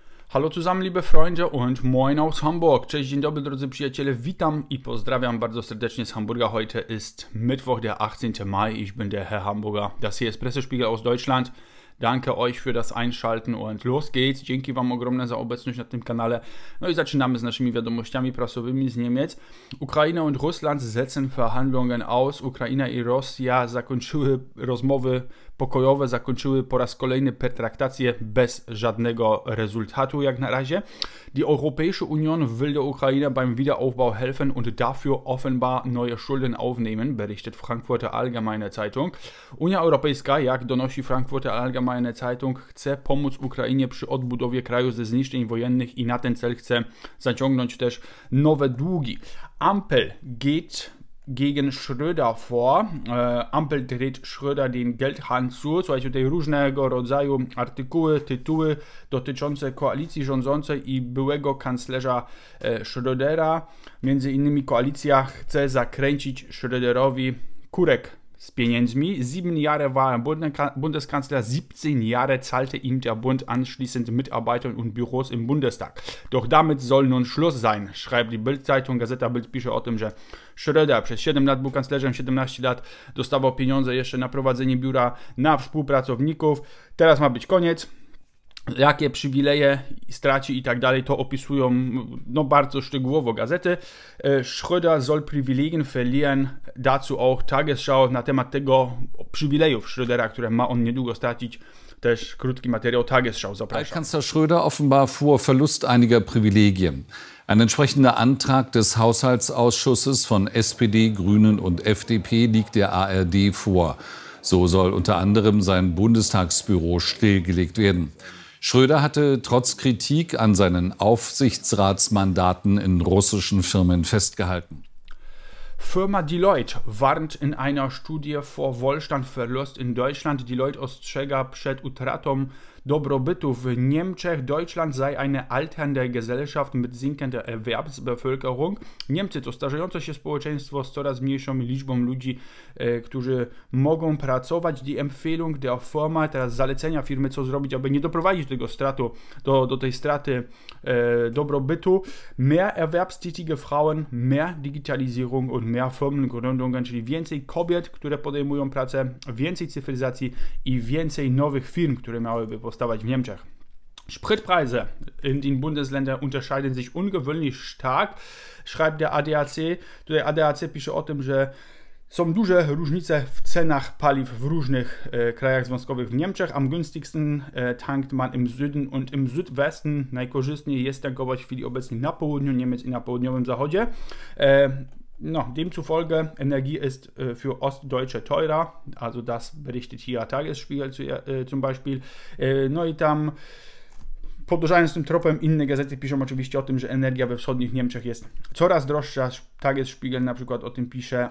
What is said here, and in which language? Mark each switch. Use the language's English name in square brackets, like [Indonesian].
[German] Hallo zusammen, liebe Freunde und moin aus Hamburg. [Polish] Cześć, dzień dobry, drodzy przyjaciele. Witam i pozdrawiam bardzo serdecznie z Hamburga. [German] Heute ist Mittwoch, der 18. Mai. Ich bin der Herr Hamburger. Das hier ist Pressespiegel aus Deutschland. Danke euch für das Einschalten und los geht's. [Polish] Dzięki wam ogromne za obecność na tym kanale. No i zaczynamy z naszymi wiadomościami prasowymi z Niemiec. [German] Ukraina und Russland setzen Verhandlungen aus. [Polish] Ukraina i Rosja zakończyły rozmowy pokojowe, zakończyły po raz kolejny pertraktacje bez żadnego rezultatu jak na razie. [German] Die Europäische Union will der Ukraine beim Wiederaufbau helfen und dafür offenbar neue Schulden aufnehmen, berichtet Frankfurter Allgemeine Zeitung. [Polish] Unia Europejska, jak donosi Frankfurter Allgemeine Zeitung, chce pomóc Ukrainie przy odbudowie kraju ze zniszczeń wojennych i na ten cel chce zaciągnąć też nowe długi. [German] Ampel geht gegen Schröder vor. Ampel dreht Schröder den Geldhahn zu. [Polish] Słuchajcie, tutaj różnego rodzaju artykuły, tytuły dotyczące koalicji rządzącej i byłego kanclerza Schrödera. Między innymi koalicja chce zakręcić Schröderowi kurek z pieniędzmi. [German] 7 Jahre war Bundeskanzler, 17 Jahre zahlte ihm der Bund anschließend Mitarbeitern und Büros im Bundestag. Doch damit soll nun Schluss sein, schreibt die Bild-Zeitung. [Polish] Gazeta Bild pisze o tym, że Schröder przez 7 lat był kanclerzem, 17 lat dostawał pieniądze jeszcze na prowadzenie biura, na współpracowników. Teraz ma być koniec. Jakie przywileje straci i tak dalej, to opisują no, bardzo szczegółowo gazety. [German] Schröder soll Privilegien verlieren, dazu auch Tagesschau. [Polish] Na temat tego przywilejów Schrödera, które ma on niedługo stracić, też krótki materiał Tagesschau zapraszam. [German] Kanzler Schröder offenbar fuhr Verlust einiger Privilegien. Ein entsprechender Antrag des Haushaltsausschusses von SPD, Grünen und FDP liegt der ARD vor. So soll unter anderem sein Bundestagsbüro stillgelegt werden. Schröder hatte trotz Kritik an seinen Aufsichtsratsmandaten in russischen Firmen festgehalten. Firma Deloitte warnt in einer Studie vor Wohlstandsverlust in Deutschland. [Polish] Deloitte ostrzega przed utratą dobrobytu w Niemczech. [German] Deutschland sei eine alternde Gesellschaft mit sinkender Erwerbsbevölkerung. [Polish] Niemcy to starzejące się społeczeństwo z coraz mniejszą liczbą ludzi, którzy mogą pracować. [German] Die Empfehlung der Firma, [Polish] teraz zalecenia firmy, co zrobić, aby nie doprowadzić do tego stratu, do tej straty dobrobytu. [German] Mehr erwerbstätige Frauen, mehr Digitalisierung und mehr Firmengründungen, [Polish] czyli więcej kobiet, które podejmują pracę, więcej cyfryzacji i więcej nowych firm, które miałyby powstawać w Niemczech. [German] Spritpreise in den Bundesländern unterscheiden sich ungewöhnlich stark, schreibt der ADAC. [Polish] Tutaj ADAC pisze o tym, że są duże różnice w cenach paliw w różnych krajach związkowych w Niemczech. [German] Am günstigsten tankt man im Süden und im Südwesten. [Polish] Najkorzystniej jest tankować w chwili obecnej na południu Niemiec i na południowym zachodzie. [German] No, demzufolge Energie ist für Ostdeutsche teurer, also das berichtet hier Tagesspiegel zum Beispiel. [Polish] No i tam, podążając tym tropem, inne gazety piszą oczywiście o tym, że energia we wschodnich Niemczech jest coraz droższa. Tagesspiegel na przykład o tym pisze.